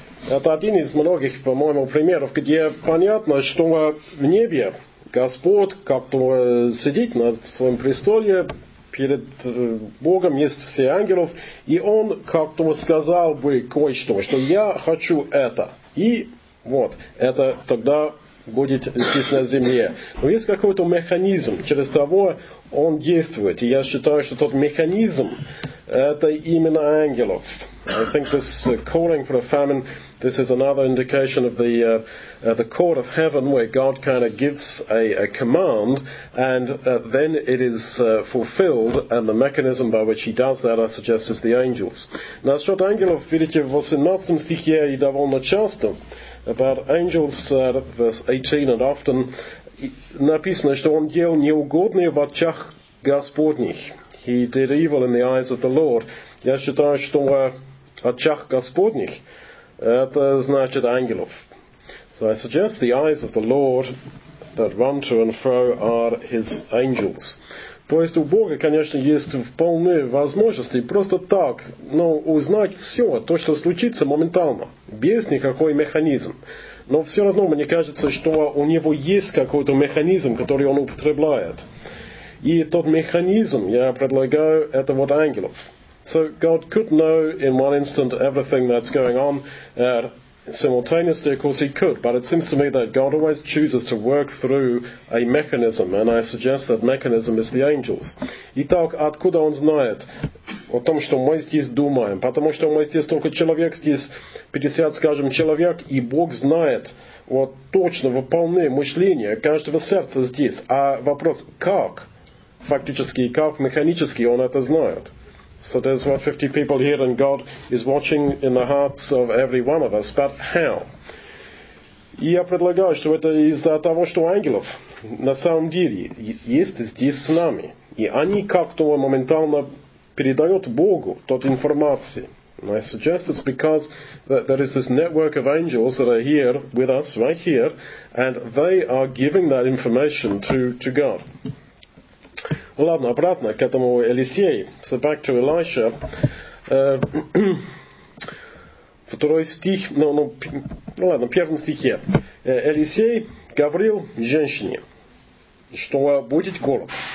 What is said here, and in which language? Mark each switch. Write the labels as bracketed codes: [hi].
[ru] Это один из многих, по-моему, примеров, где понятно, что в небе Господь как-то сидит на своем престоле, перед Богом есть все ангелов, и Он как-то сказал бы кое-что, что я хочу это. И вот, это тогда будет здесь на земле. Но есть какой-то механизм, через того он действует. И я считаю, что тот механизм – это именно ангелов. [en] I think this calling for a famine, this is another indication of the court of heaven where God kind of gives a command and then it is fulfilled, and the mechanism by which he does that, I suggest, is the angels. [ru] Насчет ангелов, видите, в 18 стихе и довольно часто, [en] about angels, verse 18, and often, [ru] написано, что он делал неугодные в очах Господних. [en] He did evil in the eyes of the Lord. [ru] Я считаю, что очах Господних, это значит ангелов. [en] So I suggest the eyes of the Lord that run to and fro are his angels. [ru] То есть у Бога, конечно, есть вполне возможности просто так, но узнать все, то, что случится моментально, без никакой механизм. Но все равно мне кажется, что у него есть какой-то механизм, который он употребляет. И тот механизм, я предлагаю, это вот ангелов. [en] So God could know in one instant everything that's going on simultaneously, of course he could, but it seems to me that God always chooses to work through a mechanism, and I suggest that mechanism is the angels. [ru] Итак, откуда он знает о том, что мы здесь думаем? Потому что мы здесь только человек, здесь 50, скажем, человек, и Бог знает вот точно вполне мышление каждого сердца здесь. А вопрос, как фактически, как механически он это знает? [en] So there's about 50 people here, and God is watching in the hearts of every one of us. But how? [ru] И я предлагаю, что это из-за того, что ангелов на самом деле есть здесь с нами. И они как-то моментально передают Богу тот информацию. [en] And I suggest it's because there is this network of angels that are here with us, right here, and they are giving that information to God. [ru] Ну ладно, обратно к этому Елисею. [en] So back to Elisha. [ru] Второй стих, ладно, первом стихе. Елисей говорил женщине, что будет голод.